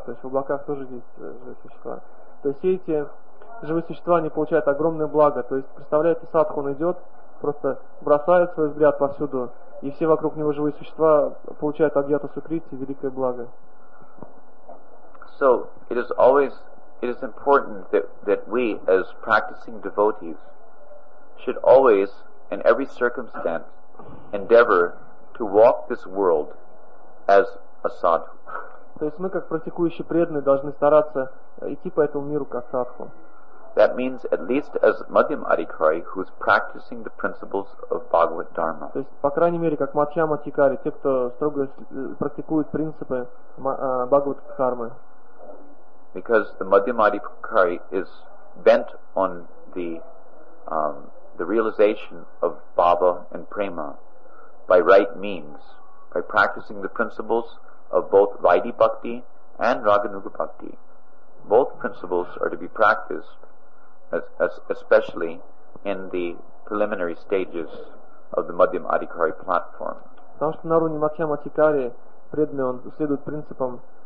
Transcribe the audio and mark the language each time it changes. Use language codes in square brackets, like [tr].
[ru] То есть в облаках тоже есть живые существа. То есть все эти живые существа, они получают огромное благо. То есть, представляете, садху, он идет, просто бросает свой взгляд повсюду, и все вокруг него живые существа получают агьята сукрити, великое благо. [en] So, it is always... It is important that we, as practicing devotees, should always, in every circumstance, endeavor to walk this world as a sadhu. [ru] То есть мы, как практикующие преданные, должны стараться идти по этому миру как садху. [en] That means at least as Madhyam Adhikari, who is practicing the principles of Bhagavad Dharma. [ru] То есть, по крайней мере, как Мадхьяма Адхикари, те, кто строго практикует принципы Бхагавад Дхармы. [en] Because the Madhyama Adhikari is bent on the realization of bhava and prema by right means, by practicing the principles of both Vaidhi Bhakti and Raganuga Bhakti. Both principles are to be practiced, as especially in the preliminary stages of the Madhyama Adhikari platform. [ru] Потому что на уровне Мадхьяма Адхикари преданный, он следует принципам